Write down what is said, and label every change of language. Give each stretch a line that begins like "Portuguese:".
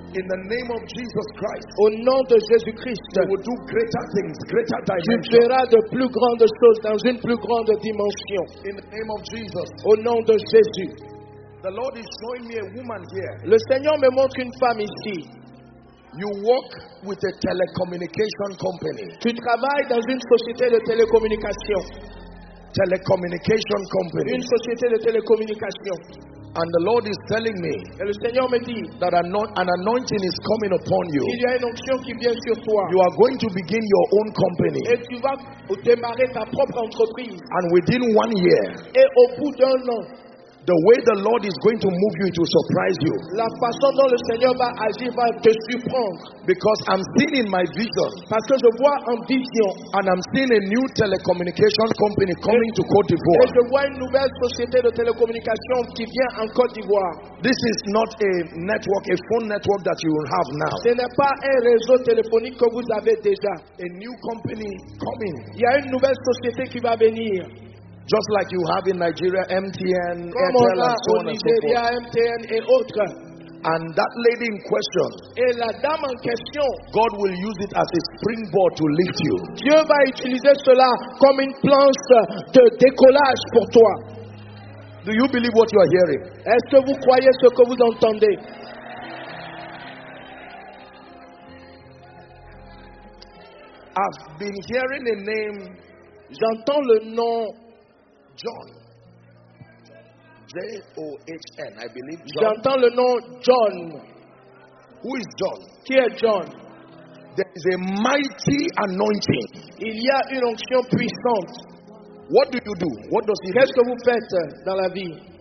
English: In the name of Jesus Christ,
French: au nom de Jésus Christ,
English: you will do greater things, greater dimensions.
French: Tu verras de plus grandes choses dans une plus grande dimension.
English: In the name of Jesus,
French: au nom de Jésus.
English: The Lord is showing me a woman here.
French: Le Seigneur me montre une femme ici.
English: You work with a telecommunication company.
French: Tu travailles dans une société de télécommunication.
English: Telecommunication company.
French: Une société de télécommunication.
English: And the Lord is telling me,
French: et le Seigneur me dit,
English: that an anointing is coming upon you.
French: Il y a une onction qui vient sur toi.
English: You are going to begin your own company.
French: Et tu vas démarrer ta propre entreprise.
English: And within 1 year,
French: et au bout d'un an,
English: the way the Lord is going to move you, it will surprise you.
French: La façon dont le Seigneur va agir va te surprendre.
English: Because I'm seeing in my vision.
French: Parce que je vois en vision.
English: And I'm seeing a new telecommunication company coming to Côte d'Ivoire.
French: Et je vois une nouvelle société de télécommunication qui vient en Côte d'Ivoire.
English: This is not a network, a phone network that you will have now.
French: Ce n'est pas un réseau téléphonique que vous avez déjà.
English: A new company coming.
French: Il y a une nouvelle société qui va venir.
English: Just like you have in Nigeria, MTN,
French: comme
English: Airtel, and so on
French: Nigeria,
English: and so forth.
French: MTN et autres.
English: And that lady in question,
French: et la dame en question,
English: God will use it as a springboard to lift you.
French: Dieu va utiliser cela comme une planche de décollage pour toi.
English: Do you believe what you are hearing?
French: Est-ce que vous croyez ce que vous entendez?
English: I've been hearing the name.
French: J'entends le nom
English: John. J-O-H-N, I believe.
French: John. J'entends le nom John.
English: Who is John?
French: Qui est John?
English: There is a mighty anointing.
French: Il y a une onction puissante.
English: What do you do? What does he
French: Qu'est-ce
English: do?
French: Que vous faites dans la vie?